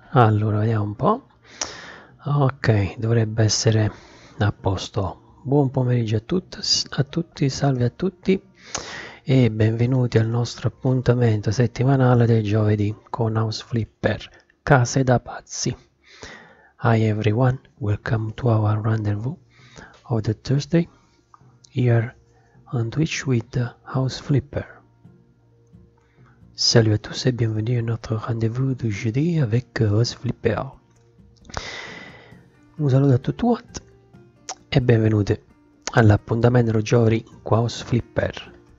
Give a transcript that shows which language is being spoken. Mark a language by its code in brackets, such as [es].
[it] Allora, vediamo un po'. Ok, dovrebbe essere a posto. Buon pomeriggio a tutti, salve a tutti e benvenuti al nostro appuntamento settimanale del giovedì con House Flipper. Case da pazzi. [en] Hi everyone, welcome to our rendezvous of the Thursday here on Twitch with House Flipper. [fr] Salut à tous et bienvenue à notre rendez-vous du jeudi avec House Flipper. [it] Un saluto a tutti e benvenuti all'appuntamento di giovedì con House Flipper.